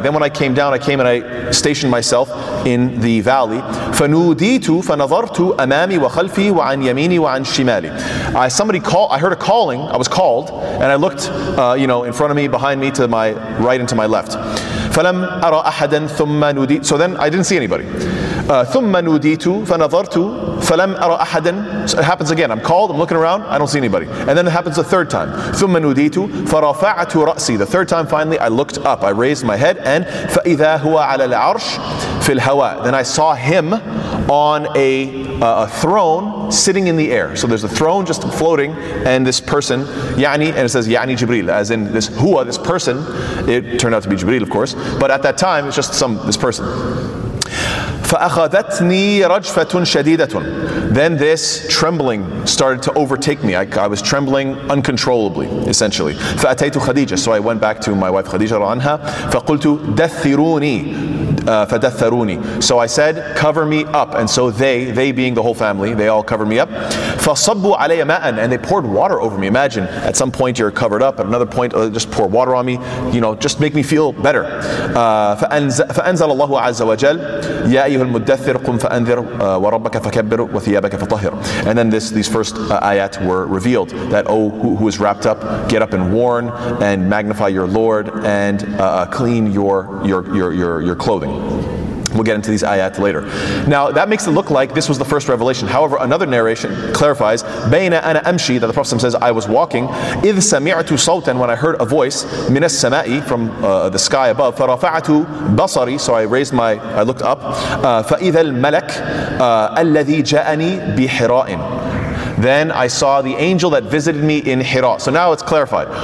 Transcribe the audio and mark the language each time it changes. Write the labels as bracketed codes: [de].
[en] Then when I came down, I came and I stationed myself in the valley. [ar] فَنُودِيتُ فَنَظَرْتُ أَمَامِي وَخَلْفِي وَعَنْ يَمِينِي وَعَنْ شِمَالِي. [en] I heard a calling, I was called, and I looked, in front of me, behind me, to my right and to my left. [ar] فَلَمْ أَرَى أَحَدًا ثُمَّ نُودِيتُ. [en] So then I didn't see anybody. [ar] ثُمَّ نُودِيتُ فَنَظَرْتُ فَلَمْ أَرَى أَحَدًا. [en] So it happens again. I'm called, I'm looking around, I don't see anybody. And then it happens a third time. [ar] ثُمَّ نُودِيتُ فَرَفَعَتُ رَأْسِي. [en] The third time, finally, I looked up. I raised my head and [ar] فَإِذَا هُوَ عَلَى الْعَرْشِ فِي الْهَوَى. [en] Then I saw him on a throne sitting in the air. So there's a throne just floating, and this person, يعني, and it says يعني جبريل, as in this هُوَ, this person. It turned out to be جبريل, of course. But at that time, it's just this person. [ar] فأخذتني رجفة شديدة. [en] Then this trembling started to overtake me. I was trembling uncontrollably, essentially. [ar] فأتيت خديجة. [en] So I went back to my wife [ar] خديجة رضي الله عنها. فقلت دثروني. فدثروني. [en] So I said, cover me up. And so they being the whole family, they all covered me up. [ar] فصبوا علي ماء, [en] and they poured water over me. Imagine, at some point you're covered up, at another point, just pour water on me, you know, just make me feel better. [ar] فأنزل الله عز وجل, يا أيها المدثر قم فأنذر وربك فكبر وثيابك فطهر. [en] And then these first ayat were revealed, that who is wrapped up, get up and warn and magnify your Lord and clean your clothing. We'll get into these ayat later. Now, that makes it look like this was the first revelation. However, another narration clarifies, [ar] بَيْنَ أَنَا أَمْشِي, [en] that the Prophet says, I was walking, [ar] إِذْ سَمِعْتُ صَوْتًا, [en] when I heard a voice, [ar] مِنَ السَّمَاءِ, [en] from the sky above, [ar] فَرَفَعَتُ بَصَرِي, [en] so I looked up, [ar] فَإِذَا الْمَلَكُ الَّذِي جَاءَنِي بِحِرَاءٍ, [en] then I saw the angel that visited me in Hira. So now it's clarified.